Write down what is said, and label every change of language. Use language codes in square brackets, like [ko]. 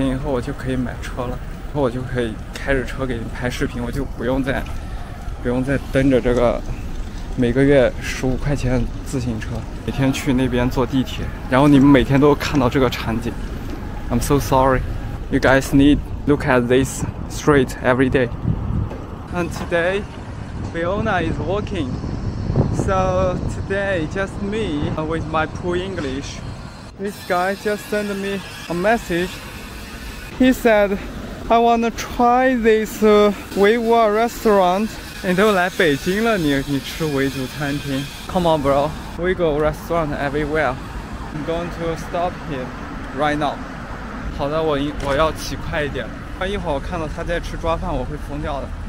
[zh] 所以现在我要过去，我录一个视频。如果之后你们见不到我了，那可能我的腰子已经被他嘎掉了。OK，扫个自行车。他昨天晚上问我有没有车，我没有车，我只能骑自行车。因为在北京买车的话，那你不如直接让我去死。为什么不买呢？首先是因为我没有钱，其次呢，是因为停车费太贵了。对，所以你们都给我打钱，你给我打钱以后，我就可以买车了。然后我就可以开着车给你拍视频，我就不用再蹬着这个每个月15块钱自行车，每天去那边坐地铁，然后你们每天都看到这个场景。 [en] I'm so sorry. You guys need look at this street every day. And today, Fiona is walking. So today, just me with my poor English. This guy just sent me a message. He said, I want to try this Uyghur restaurant. [zh] 你都来北京了，你吃维族餐厅。 [en] Come on bro, Uyghur restaurant everywhere. I'm going to stop here right now. [zh] 好的，我要骑快一点，一会儿我看到他在吃抓饭，我会疯掉的。